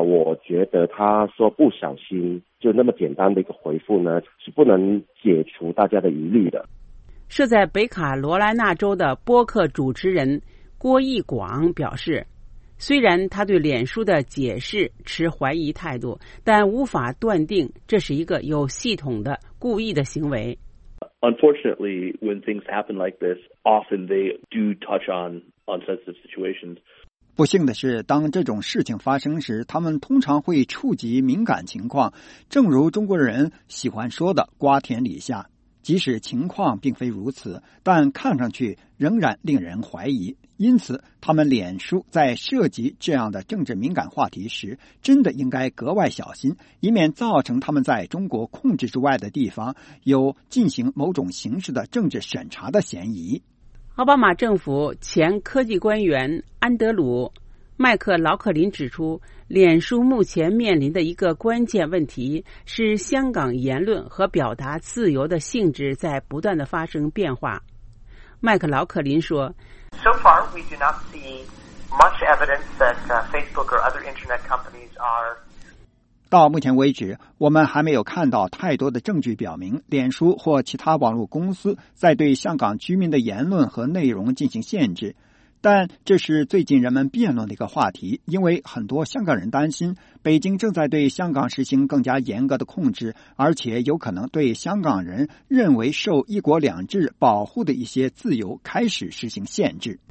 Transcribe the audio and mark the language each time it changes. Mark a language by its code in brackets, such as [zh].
[zh] 我觉得他说不小心就那么简单的一个回复呢，是不能解除大家的疑虑的。设在北卡罗来纳州的播客主持人郭义广表示，虽然他对脸书的解释持怀疑态度，但无法断定这是一个有系统的故意的行为。 [en] Unfortunately, when things happen like this, often they do touch on sensitive situations. [zh] 不幸的是，当这种事情发生时，他们通常会触及敏感情况，正如中国人喜欢说的瓜田李下。即使情况并非如此，但看上去仍然令人怀疑。因此，他们脸书在涉及这样的政治敏感话题时，真的应该格外小心，以免造成他们在中国控制之外的地方有进行某种形式的政治审查的嫌疑。奥巴马政府前科技官员安德鲁·麦克劳克林指出，脸书目前面临的一个关键问题是香港言论和表达自由的性质在不断的发生变化。麦克劳克林说， [en] So far, we do not see much evidence that Facebook or other internet companies are. [zh] 到目前为止，我们还没有看到太多的证据表明脸书或其他网络公司在对香港居民的言论和内容进行限制。但这是最近人们辩论的一个话题，因为很多香港人担心北京正在对香港实行更加严格的控制，而且有可能对香港人认为受一国两制保护的一些自由开始实行限制。